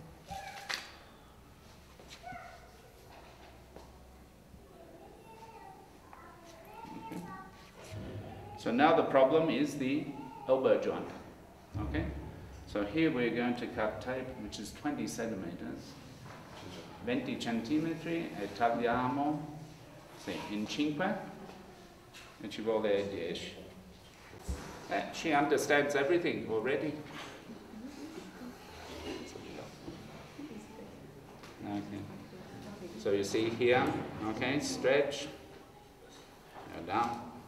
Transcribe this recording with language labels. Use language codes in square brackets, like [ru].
[en] Okay. So now the problem is the elbow joint. Okay? So here we're going to cut tape, which is 20 centimeters. [it] 20 centimetri e tagliamo in 5 e ci vuole 10. [en] She understands everything already. Okay. So you see here, okay, stretch, go down.